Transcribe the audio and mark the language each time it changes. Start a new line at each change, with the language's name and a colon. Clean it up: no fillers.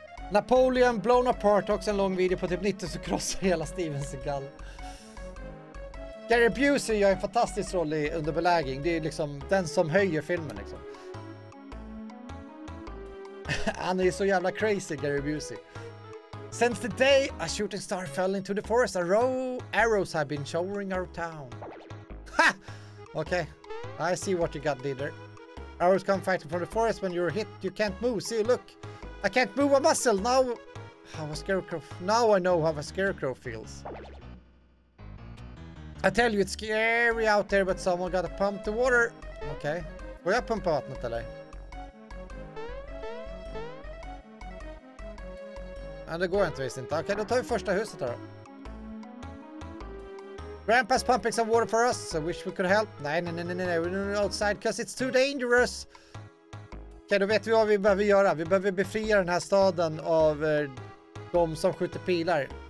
Swedish: Napoleon Blown Apart, också en lång video på typ 90 så krossar hela Steven Seagal. Gary Busey gör en fantastisk roll i Under belägring. Det är liksom den som höjer filmen liksom. Han är så jävla crazy, Gary Busey.
English: Since the day a shooting star fell into the forest, arrows have been showering our town. Ha! Okej. Okay. I see what you got, leader. Arrows come fighting from the forest. When you're hit, you can't move. See, look. I can't move a muscle. Now, how a scarecrow. Now I know how a scarecrow feels. I tell you, it's scary out there, but someone gotta pump the water.
Swedish: Okej. Okay. Får jag pumpa vattnet, eller? Nej, det går inte visst inte. Okej, då tar vi första huset då.
English: Grandpa's pumping some water for us. I wish we could help. Nej. We're not outside because it's too dangerous.
Swedish: Okej, då vet vi vad vi behöver göra. Vi behöver befria den här staden av de som skjuter pilar.